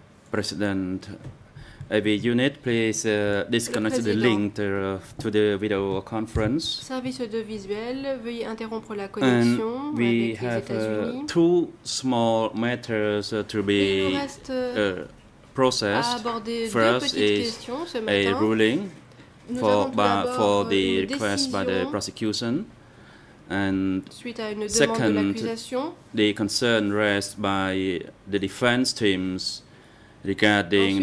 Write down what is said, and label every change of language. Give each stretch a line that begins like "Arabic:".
English: President, every unit, please disconnect the link to the video conference.
French: Service de visuel, veuillez interrompre la connexion avec les États-Unis.
English: And we have two small matters to be processed. First is a ruling for the request by the prosecution. And
French: suite à une second, demande de l'accusation,
English: the concern raised by the defense teams regarding